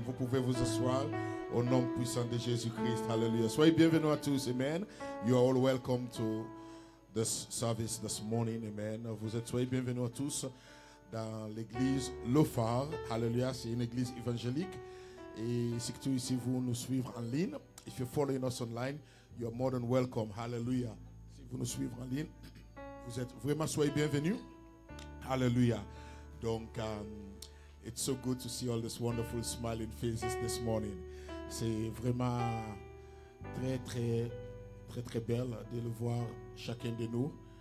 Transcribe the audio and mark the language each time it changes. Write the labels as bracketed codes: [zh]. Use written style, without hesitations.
[fr] Vous pouvez vous asseoir au nom puissant de Jésus-Christ. Hallelujah. Soyez bienvenue à tous. Amen. [en] You are all welcome to this service this morning. Amen. [fr] Vous êtes soyez bienvenue à tous dans l'église Le Phare. Hallelujah. C'est une église évangélique. Et si tu ici vous nous suivre en ligne, [en] if you're following us online, you are more than welcome. [fr] Hallelujah. Si vous nous suivre en ligne, vous êtes vraiment soyez bienvenus. Alléluia. Donc, [en] it's so good to see all these wonderful smiling faces this morning. [fr] C'est vraiment très, très, très, très belle de le voir chacun de nous.